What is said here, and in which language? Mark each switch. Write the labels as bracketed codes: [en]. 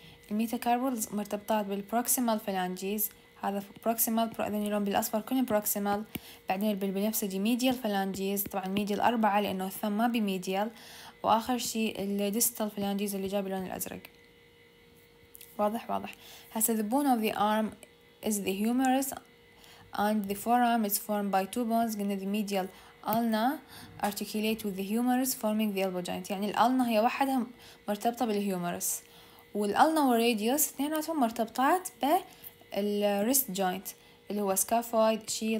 [ar] metacarpals مرتبطات بالproximal phalanges، هذا proximal ذني لون بالاصفر كله proximal، بعدين بالبنفسجي medial phalanges، طبعا medial اربعة لانه الثم ما بميديال، واخر شيء الديستال فلانجيز اللي جاب اللون الازرق. واضح واضح. [en] هسه the bone of the arm is the humerus and the forearm is formed by two bones in the medial ulna articulate with the humerus forming the elbow joint. [ar] يعني الالنا هي وحدها مرتبطه بالهيومرس، والالنا والراديوس اثنيناتهم مرتبطات بالريست جوينت اللي هو scaphoid.